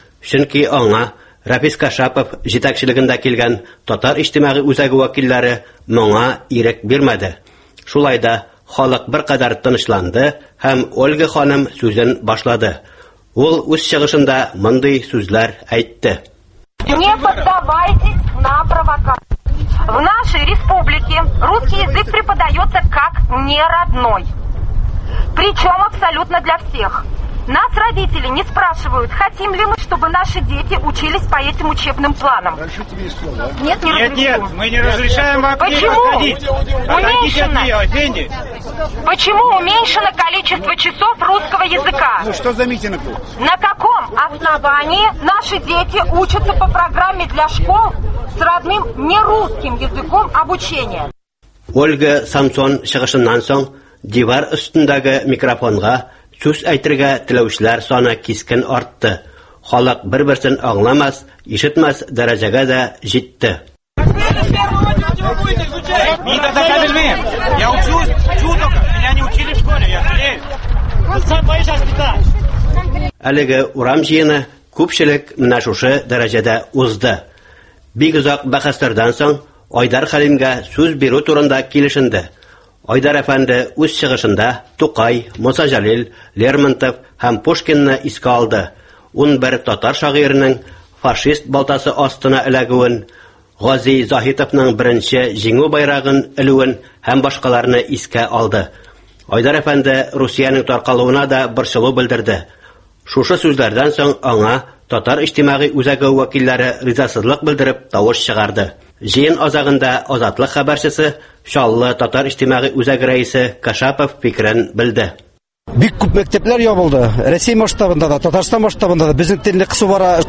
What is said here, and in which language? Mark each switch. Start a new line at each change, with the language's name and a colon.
Tatar: Чөнки аңа Рафис Кашапов җитәкчелегендә килгән татар иҗтимагый үзәге вәкилләре моңа ирек бирмәде. Шулай да халык беркадәр тынычланды һәм Ольга ханым сүзен башлады. Ул үз чыгышында мондый сүзләр әйтте.
Russian: Не поддавайтесь на провокации. В нашей республике русский язык преподается как не родной. Причем абсолютно для всех. Нас родители не спрашивают, хотим ли мы, чтобы наши дети учились по этим учебным планам. Нет, не разрешаем. Нет, мы не разрешаем вам почему? Почему уменьшено количество часов русского языка? Ну что за митинг? На каком основании наши дети учатся по программе для школ с родным не русским языком обучения?
Tatar: Ольга Самсон шығышыннан соң дивар үстіндегі микрофонға сүз әйтергә теләүчеләр саны кискен артты. Халык бер-берсен аңламас, ишетмәс дәрәҗәгә дә җитте. Мин дә таба белмим.
Russian: Я учусь, чуток, меня не учили в школе, я жалею. Сам поезжай спитать.
Tatar: Әлеге урам җыены күпчелек менә шушы дәрәҗәдә узды. Бик озак бәхәстәрдән соң Айдар Хәлимгә сүз бирү турында килешенде. Айдар әфәнде үз чыгышында Тукай, Муса Җәлил, Лермонтов һәм Пушкинны искә алды. 11 татар шагыйренең фашист балтасы астына эләгүен, Гази Захитовның беренче җиңү байрагын элүен һәм башкаларны искә алды. Айдар әфәнде Русияның таркалуына да борчылу белдерде. Шушы сүзләрдән соң аңа татар иҗтимагый үзәге вәкилләре ризасызлык белдереп тавыш чыгарды. Җыен азагында Азатлык хәбәрчесе Шаллы татар иҗтимагый үзәге рәисе Кашапов фикерен белде. Бик күп мәктәпләр ябылды. Россия масштабында да, Татарстан масштабында да безнең телне кысу бара.